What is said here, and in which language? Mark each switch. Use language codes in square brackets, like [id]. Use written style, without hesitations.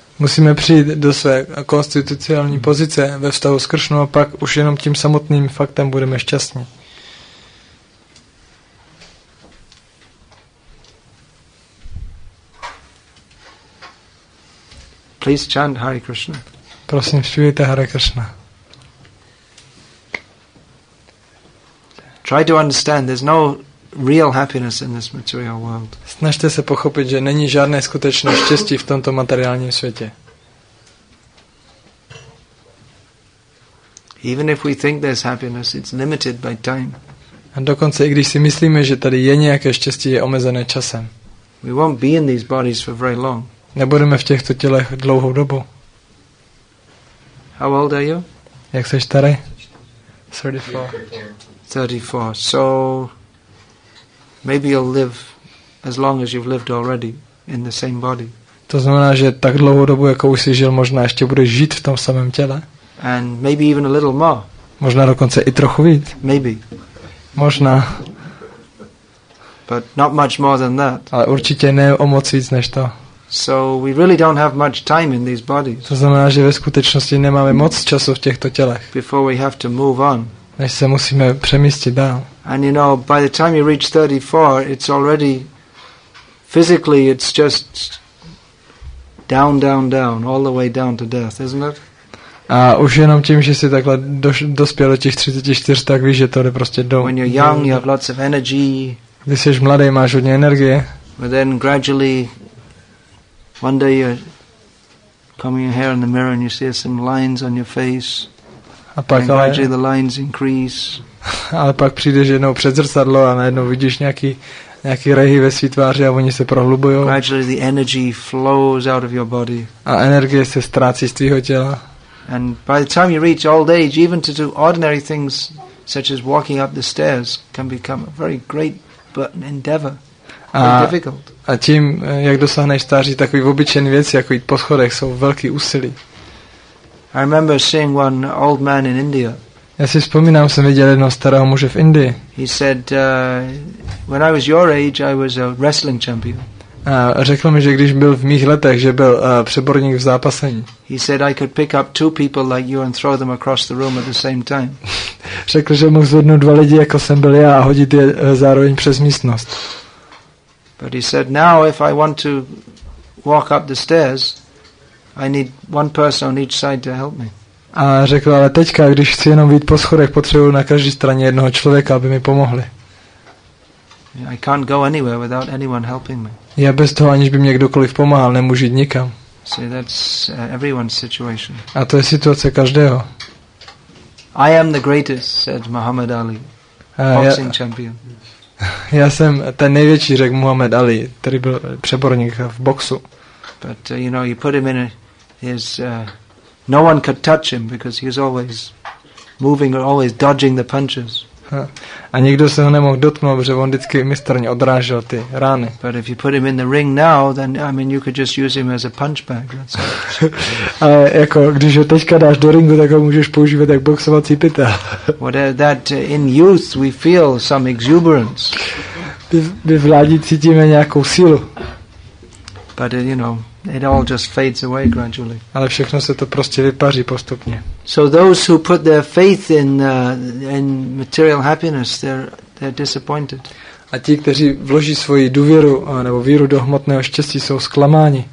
[cs] Musíme přijít do své konstitucionální pozice ve vztahu s Krishnou a pak už jenom tím samotným faktem budeme šťastní. [en] Please chant Hare Krishna. [cs] Prosím, zpívejte Hare Krishna. [en] Try to understand, there's no real happiness in this material world. [cs] Snažte se pochopit, že není žádné skutečné štěstí v tomto materiálním světě. [en] Even if we think there's happiness, it's limited by time. [cs] A dokonce i když si myslíme, že tady je nějaké štěstí, je omezené časem. [en] We won't be in these bodies for very long. [cs] Nebudeme v těchto tělech dlouhou dobu. [en] How old are you? [cs] Jak seš starý? [en] 34. So maybe you'll live as long as you've lived already in the same body. [cs] To znamená, že tak dlouhou dobu, jako už jsi žil, možná ještě budeš žít v tom samém těle. [en] And maybe even a little more. [cs] Možná dokonce i trochu víc. [en] Maybe. [cs] Možná. [en] But not much more than that. [cs] Ale určitě ne o moc víc než to. [en] So we really don't have much time in these bodies. [cs] To znamená, že ve skutečnosti nemáme moc času v těchto tělech. [en] Before we have to move on. [cs] Než se musíme přemístit dál. [en] And you know, by the time you reach 34, it's already physically it's just down, down, down, all the way down to death, isn't it? [cs] A už jenom tím, že jsi takhle dospěl do těch 34, tak víš, že to jde prostě do. [en] When you're young, you have lots of energy. [cs] Když jsi mladý, máš hodně energie. [en] But then gradually one day you're combing your hair in the mirror and you see some lines on your face. [cs] A pak [en] and gradually the lines increase. [cs] Ale pak přijdeš jednou před zrcadlo a najednou vidíš nějaký rehy ve svý tváři a oni se prohlubujou. [en] Gradually the energy flows out of your body. [cs] A energie se ztrácí z tvýho těla. [en] And by the time you reach old age, even to do ordinary things such as walking up the stairs can become a very great but endeavor. [cs] A tím, jak dosáhneš stáří, takový obyčejný věci, jako jít po schodech, jsou velký úsilí. [en] I remember seeing one old man in India. [cs] Já si vzpomínám, jsem viděl jednoho starého muže v Indii. [en] He said, when I was your age, I was a wrestling champion. [cs] A řekl mi, že když byl v mých letech, že byl přeborník v zápasení. [en] He said I could pick up two people like you and throw them across the room at the same time. [cs] Řekl, že mohl zvednout dva lidi, jako jsem byl já, a hodit je zároveň přes místnost. [en] But he said, now if I want to walk up the stairs, I need one person on each side to help me. [cs] A řekl, ale teďka, když chci jenom vyjít po schodech, potřebuji na každé straně jednoho člověka, aby mi pomohli. [en] I can't go anywhere without anyone helping me. [cs] Já bez toho, aniž by mě kdokoliv pomáhal, nemůžu jít nikam. [en] See, that's everyone's situation. [cs] A to je situace každého. [en] I am the greatest, said Muhammad Ali, boxing champion. [cs] Já jsem ten největší, řekl Muhammad Ali, který byl přeborník v boxu. [en] But you know, you put him in his. No one could touch him because he's always moving, always dodging the punches. [cs] A nikdo se ho nemohl dotknout, protože on vždycky mistrně odrážel ty rány. [en] But if you put him in the ring now, then I mean, you could just use him as a punch bag. That's [cs] a jako když ho teďka dáš do ringu, tak ho můžeš používat jako boxovací pytel. [en] What that in youth we feel some exuberance. [cs] My v mládí cítíme nějakou sílu. [en] But you know, it all just fades away gradually. [cs] Ale všechno se to prostě vypaří postupně. [en] So those who put their faith in material happiness, they're disappointed. [cs] A ti, kteří vloží svoji důvěru nebo víru do hmotného štěstí, jsou zklamáni.